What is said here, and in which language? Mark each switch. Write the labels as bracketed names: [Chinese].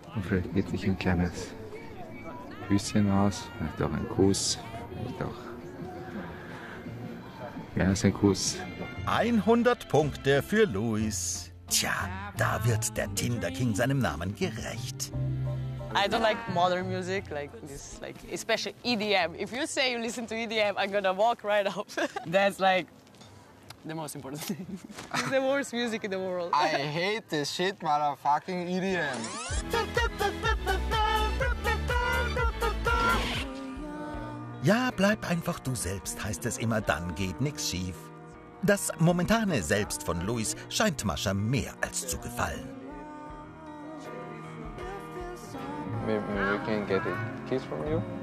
[German] Und vielleicht geht sich ein kleines Küsschen aus, vielleicht auch ein Kuss, vielleicht auch. Ja, ist ein Kuss. 100 Punkte für Luis. Tja, da wird der Tinder-King seinem Namen gerecht. [English] I don't like modern music, like this, like especially EDM. If you say you listen to EDM, I'm gonna walk right up. That's like the most important thing. It's the worst music in the world. I hate this shit, motherfucking EDM. [German] Ja, bleib einfach du selbst, heißt es immer, dann geht nichts schief. Das momentane Selbst von Luis scheint Masha mehr als zu gefallen. [English] Maybe we can get a kiss from you.